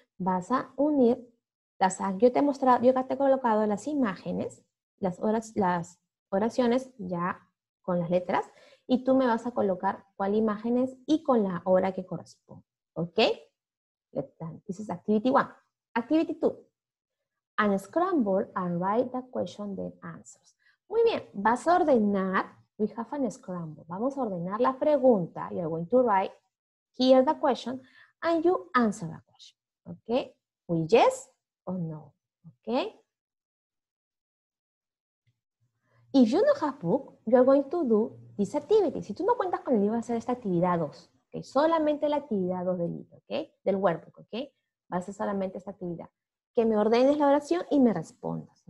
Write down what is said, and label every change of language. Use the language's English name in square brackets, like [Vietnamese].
[Spanish] Vas a unir las, yo te he colocado las imágenes, las oraciones ya con las letras, y tú me vas a colocar cuál imagen es y con la hora que corresponde, [English] okay? This is activity 1. Activity 2. And scramble and write the question then answers. [Spanish] Muy bien, vas a ordenar. [English] We have an scramble. [Spanish] Vamos a ordenar la pregunta. [English] You're going to write here the question and you answer the question. Okay? With yes or no. Okay? If you don't have book, you're going to do this activity. [Spanish] Si tú no cuentas con el libro, vas a hacer esta actividad 2. [English] Okay? [Spanish] Solamente la actividad 2 del libro. Okay? Del workbook. Okay? Vas a hacer solamente esta actividad. Que me ordenes la oración y me respondas.